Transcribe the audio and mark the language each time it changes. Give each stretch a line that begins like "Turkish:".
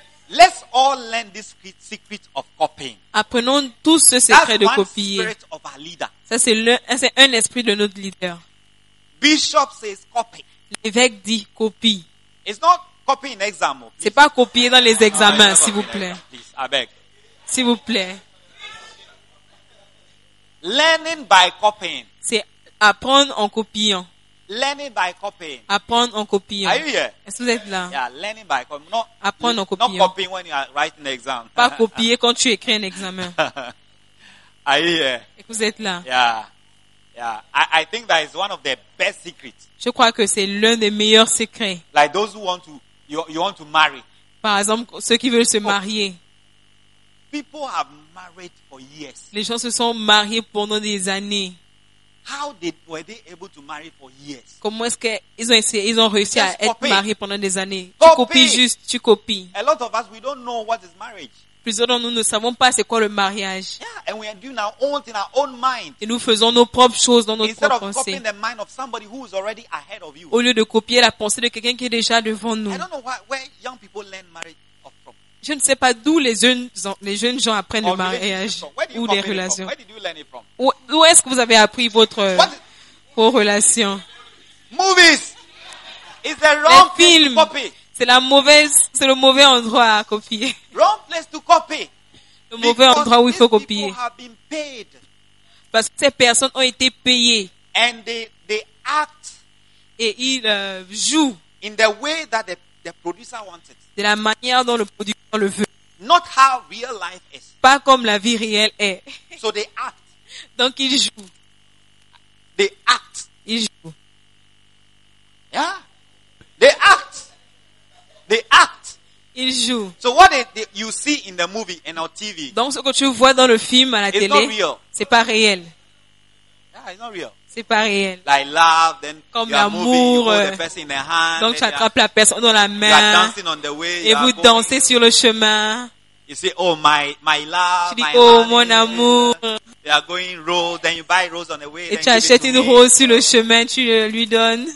English: Let's all learn this secret of copying.
French: Apprenons tous ce secret de copier.
English: That's one spirit of our leader.
French: Ça c'est un esprit de notre leader.
English: Bishop says copy.
French: L'évêque dit copie.
English: It's not copying exam. Please.
French: C'est pas copier dans les examens, s'il vous plaît.
English: Please, I beg.
French: S'il vous plaît.
English: Learning by copying.
French: C'est apprendre en copiant.
English: Learning by copying.
French: Apprendre en copiant.
English: Are you here?
French: Est-ce que vous êtes là?
English: Yeah, learning by copying. Not,
French: apprendre en copiant.
English: Not copying when you are writing an exam.
French: Pas copier quand tu écris un examen.
English: Are you here?
French: Est-ce que vous êtes là?
English: Yeah. I think that is one of the best secrets.
French: Je crois que c'est l'un des meilleurs secrets.
English: Like those who want to, you want to marry.
French: Par exemple, ceux qui veulent se marier.
English: People have married for years.
French: Les gens se sont mariés pendant des années.
English: How did were they able to marry for years?
French: Comment est-ce qu'ils ont essayé, ils ont réussi à être mariés pendant des années?
English: Copy.
French: Tu copies juste, tu copies.
English: A lot of us we don't know what is marriage.
French: Plusieurs de nous ne savons pas c'est quoi le mariage.
English: Yeah, and we are doing our own in our own mind.
French: Et nous faisons nos propres choses dans notre propre
English: Instead of copying the mind of somebody who is already ahead of you.
French: Au lieu de copier la pensée de quelqu'un qui est déjà devant nous.
English: I don't know where young people learn marriage.
French: Je ne sais pas d'où les jeunes gens apprennent le mariage ou les relations. Où est-ce que vous avez appris vos relations?
English: Movies. It's the wrong place to copy.
French: C'est le mauvais endroit à copier.
English: Wrong place to copy.
French: Le mauvais endroit où il faut copier.
English: These people have been paid.
French: Parce que ces personnes ont été payées.
English: And they act.
French: Et ils jouent.
English: In the way that the producer wanted.
French: De la manière dont le producteur le veut.
English: Not how real life is.
French: Pas comme la vie réelle est.
English: So they act.
French: Donc ils jouent.
English: They act.
French: Ils jouent.
English: Yeah. They act. They act.
French: Ils jouent.
English: So what they you see in the movie and on TV?
French: Donc ce que tu vois dans le film à la télé,
English: not real.
French: C'est pas réel.
English: it's not real.
French: C'est pas réel.
English: Like love, then
French: comme l'amour. Donc tu attrapes la personne dans la main.
English: Dancing on the way,
French: et vous dansez sur le chemin.
English: You say, oh my love.
French: Tu dis,
English: my
French: oh mon amour.
English: They are going rose, then you buy rose on the way.
French: Et tu achètes une rose sur le chemin, tu lui donnes.